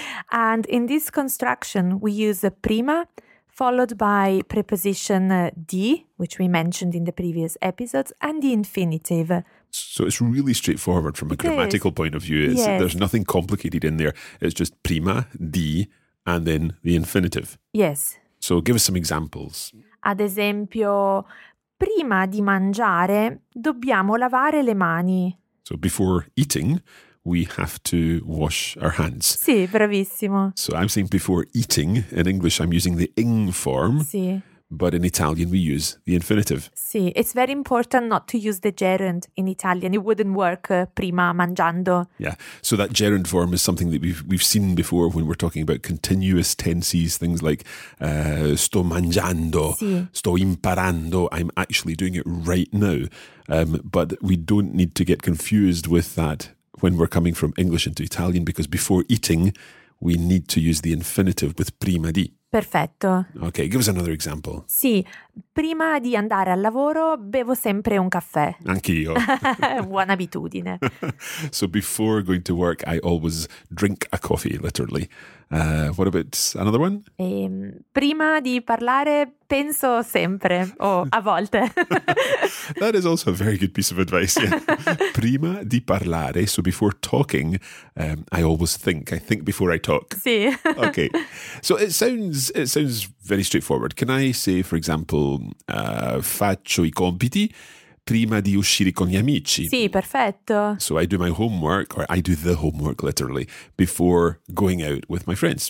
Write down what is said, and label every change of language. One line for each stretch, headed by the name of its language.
English: And in this construction, we use prima followed by preposition di, which we mentioned in the previous episodes, and the infinitive. It So it's really straightforward from a is. grammatical point of view. There's nothing complicated in there. It's just prima, di, and then the infinitive. Yes. So give us some examples.
Italian: Ad esempio, prima di mangiare dobbiamo lavare le mani.
English: So before eating, we have to wash our hands.
Italian: Sì, bravissimo.
English: So I'm saying before eating. In English, I'm using the ing form,
Italian: Sì.
English: but in Italian, we use the infinitive.
Italian: Sì,
English: it's very important not to use the gerund in Italian. It wouldn't work
Italian: prima mangiando.
English: Yeah, so that gerund form is something that we've seen before when we're talking about continuous tenses, things like
Italian: sto mangiando, Sì. sto imparando,
English: I'm actually doing it right now. But we don't need to get confused with that when we're coming from English into Italian, because before eating, we need to use the infinitive with
Italian: prima di. Perfetto.
English: Okay, give us another example.
Italian: Sì, prima di andare al lavoro bevo sempre un caffè. Anch'io. Buona abitudine.
English: So before going to work, I always drink a coffee, literally. What about another one?
Italian: Prima di parlare penso sempre, o a
English: That
Italian: volte.
English: is also a very good piece of advice, yeah.
Italian: Prima di parlare,
English: so before talking, I always think. I think before I talk.
Italian: Sì.
English: Okay. So it sounds very straightforward. Can I say, for example,
Italian: faccio i compiti prima di uscire con gli amici? Sì, perfetto.
English: So I do my homework, or I do the homework literally, before going out with my friends.